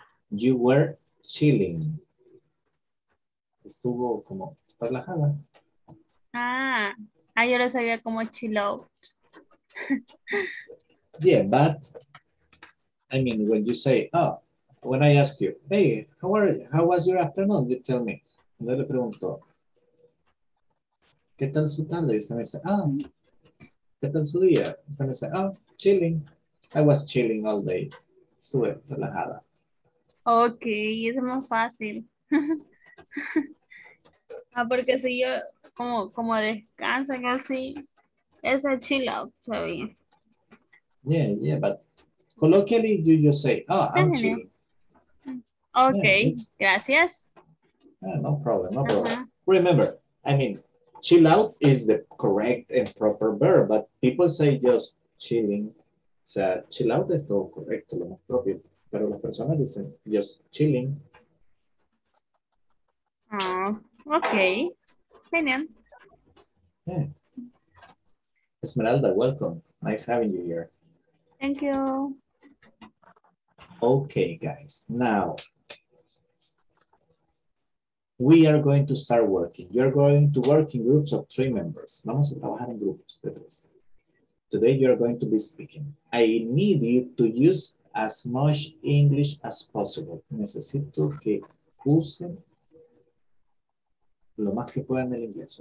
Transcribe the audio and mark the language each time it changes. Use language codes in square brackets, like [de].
[en] You were chilling. [es] Estuvo como relajada. Ah, yo lo sabía como chill out. [en] Yeah, but I mean, when you say, oh, when I ask you, hey, how was your afternoon? You tell me. [es] Yo le pregunto, ¿qué tal su tarde? Y usted me dice, ah, ¿qué tal su día? Y usted me dice, [en] oh, chilling. I was chilling all day. [es] Estuve relajada. Ok, es más fácil. Ah, porque si yo como descanso y así, es el chill out, ¿sabes? [en] Yeah, but colloquially you just say, oh, I'm chilling. Ok, yeah, [es] gracias. [en] Yeah, no problem. Uh-huh. Remember, I mean, chill out is the correct and proper verb, but people say just chilling. [es] O sea, chill out es todo correcto, lo más propio. Pero las personas dicen, [en] just chilling. [es] Ah, oh, ok. Genial. [en] Yeah. Esmeralda, welcome. Nice having you here. Thank you. Ok, guys. Now, we are going to start working. You're going to work in groups of 3 members. [es] Vamos a trabajar en grupos de 3. [en] Today, you're going to be speaking. I need you to use as much English as possible. [es] Necesito que usen lo más que puedan el inglés.